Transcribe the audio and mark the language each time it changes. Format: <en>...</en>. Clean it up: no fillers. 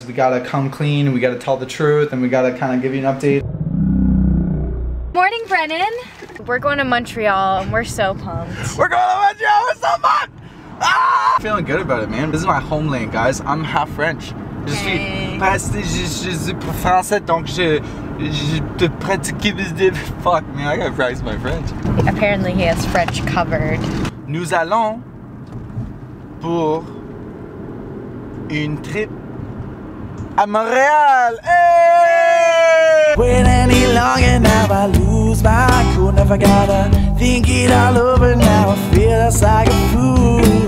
<en>we gotta come clean, we gotta tell the truth, and we gotta kind of give you an update. Morning, Brennan. We're going to Montreal, and we're so pumped. We're going to Montreal, we're so pumped! Ah! Feeling good about it, man. This is my homeland, guys. I'm half French.</en> <fr>Je suis passé, je suis français, donc je pratique mes deux.</fr> <en>Fuck, man, I gotta practice my French. Apparently, he has French covered.</en> <fr>Nous allons pour une trip à Montréal.</fr> <en>Hey! Wait any longer now, I lose my cool. Never gotta think it all over now. I feel us like a fool.</en>